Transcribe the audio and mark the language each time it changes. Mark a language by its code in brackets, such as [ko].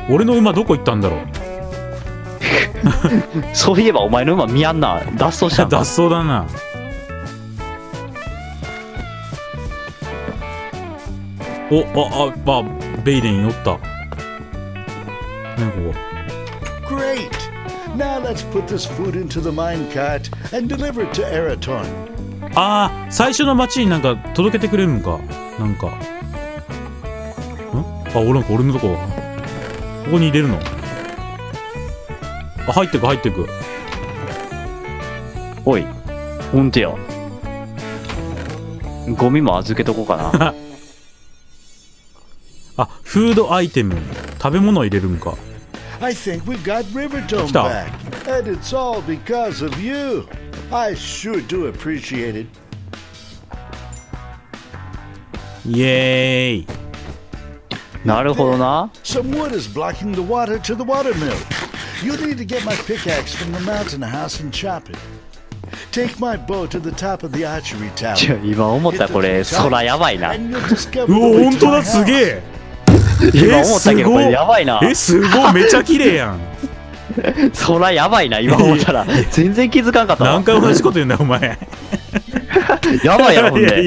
[ja] 俺の馬どこ行ったんだろう。そういえばお前の馬見やんな。脱走したんだ。脱走だな。お、あ、あ、あ、ベイデン乗った。何ここ。 [en] Great! Now let's put this food into the minecart and deliver it to Eraton. [ja] あー、最初の町になんか届けてくれるんか。なんか。あ、俺のとこ。ここに入れるの。あ、入ってく、入ってく。おい、ほんとや。ゴミも預けとこうかな。あ、フードアイテム。食べ物入れるんか。 [en] I think we got Riverdome back. And it's all because of you. I sure do appreciate it. [ja] イエーイ。なるほどな。 [en] Some wood is blocking the water to the water mill. You need to get my pickaxe from the mountain house and chop it. Take my bow to the top of the archery tower. [ja] 今思ったこれ、空やばいな。うお、本当だ、すげえ。今思ったけどこれやばいな。え、すごい、めちゃ綺麗やん。そらやばいな、今思ったら。全然気づかんかった。何回同じこと言うんだよお前。やばいやろ、ほんで。